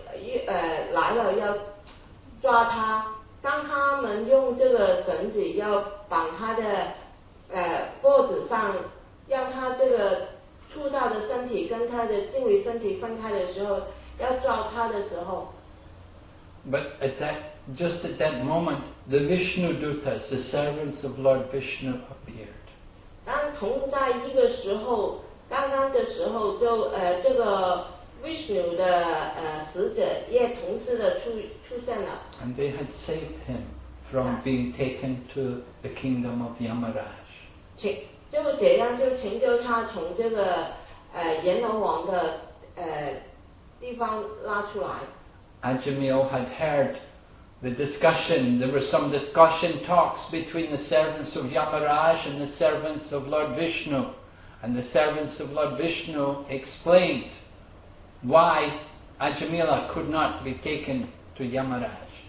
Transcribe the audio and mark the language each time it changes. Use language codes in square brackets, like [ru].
[zh] 那当他在死亡的一刻，然后这个阎罗王的使者就来了要抓他。当他们用这个绳子要绑他的脖子上，让他这个粗大的身体跟他的精微身体分开的时候，要抓他的时候。 [en] But at that moment, the Vishnu Dutas, the servants of Lord Vishnu, appeared. [zh] 当同在一个时候，刚刚的时候就这个 Vishnu的使者也同时的出现了。 [en] And they had saved him from being taken to the kingdom of Yamaraj. [zh] 就这样就成就他从这个阎罗王的地方拉出来。 [en] Ajamil had heard the discussion, there were some discussion talks between the servants of Yamaraj and the servants of Lord Vishnu. And the servants of Lord Vishnu explained why Ajamila could not be taken to Yamaraj.